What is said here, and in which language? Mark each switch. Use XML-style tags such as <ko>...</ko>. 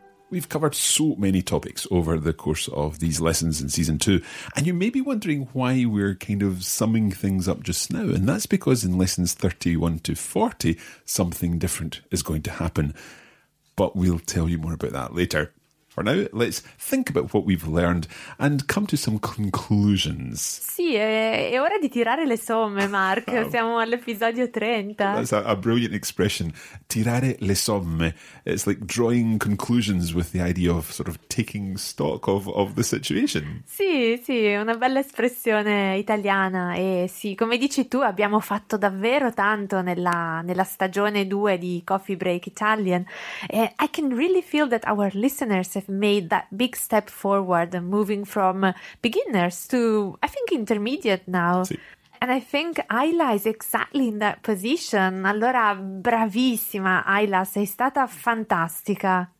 <en>We've covered so many topics over the course of these lessons in season 2, and you may be wondering why we're kind of summing things up just now, and that's because in lessons 31 to 40, something different is going to happen. But we'll tell you more about that later. For now, let's think about what we've learned and come to some conclusions.</en> <it>Sì, è ora di tirare le somme, Mark. Siamo all'episodio 30.</it> <en>That's a brilliant expression.</en> <it>Tirare le somme.</it> <en>It's like drawing conclusions with the idea of sort of taking stock of the situation.</en> <it>Sì, sì, una bella espressione italiana. E sì, come dici tu, abbiamo fatto davvero tanto nella stagione 2 di Coffee Break Italian.</it> <en>I can really feel that our listeners have made that big step forward, moving from beginners to, I think, intermediate now.</en> <it>Sì.</it> <en>And I think Isla is exactly in that position.</en> <it>Allora, bravissima, Isla, sei stata fantastica.</it>